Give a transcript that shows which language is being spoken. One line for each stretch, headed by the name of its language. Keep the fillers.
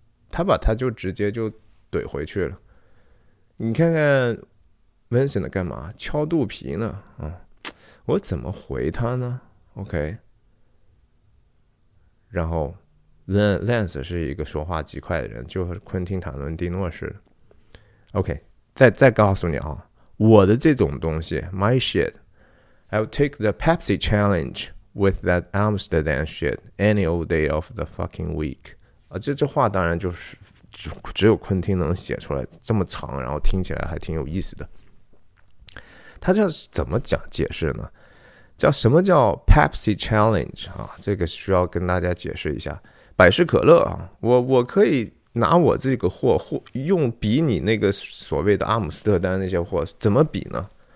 Chinese: 他把他就直接就怼回去了。你看看 Vincent 干嘛？敲肚皮呢？啊，我怎么回他呢？OK。然后，Len l e n e 是一个说话极快的人，就和昆汀·塔伦蒂诺似的。
English: OK，
Chinese: 再再告诉你啊，我的这种东西，
English: my shit，I'll take the Pepsi challenge with that Amsterdam shit any old day of the fucking week。
Chinese: 啊，这这话当然就是只只有昆汀能写出来这么长，然后听起来还挺有意思的。他这是怎么讲解释呢？叫什么叫 Pepsi Challenge 啊？这个需要跟大家解释一下，百事可乐啊，我我可以拿我这个货货用比你那个所谓的阿姆斯特丹那些货怎么比呢？